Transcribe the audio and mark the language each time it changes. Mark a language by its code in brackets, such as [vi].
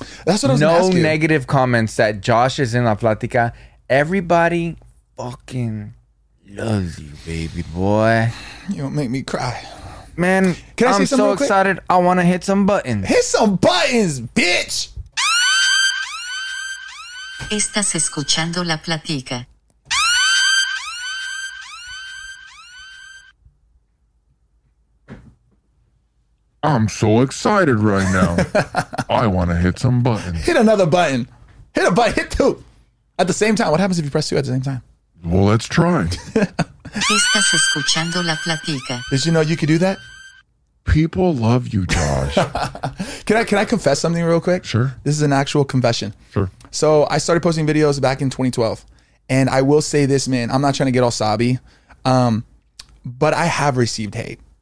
[en] That's what I was no gonna ask you. Negative comments that Josh is in La Plática. Everybody fucking loves you, baby boy. You don't make me cry. Man, can I say something? I'm so excited. I want to hit some buttons. Hit some buttons, bitch. [es] Estás escuchando la plática. [en] I'm so excited right now. I want to hit some buttons. Hit another button. Hit a button. Hit two. At the same time. What happens if you press two at the same time? Well, let's try. [es] Estás escuchando la plática. [en] Did you know you could do that? People love you, Josh. Can I confess something real quick? Sure. This is an actual confession. Sure. So I started posting videos back in 2012. And I will say this, man. I'm not trying to get all sobby. But I have received hate.